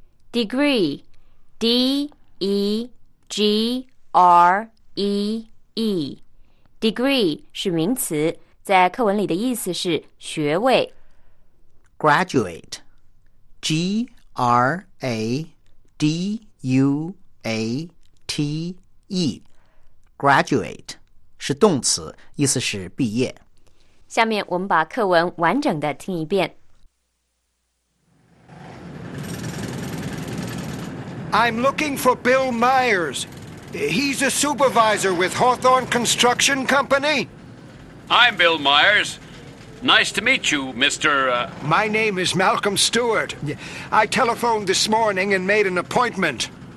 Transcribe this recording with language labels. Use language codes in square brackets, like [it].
[zh] Degree， D E G R E E， degree 是名词，在课文里的意思是学位。 Graduate， G R A D U A T E， graduate 是动词，意思是毕业。下面我们把课文完整的听一遍。 [en] I'm looking for Bill Myers. He's a supervisor with Hawthorne Construction Company. I'm Bill Myers. Nice to meet you, Mr.... My name is Malcolm Stewart. I telephoned this morning and made an appointment.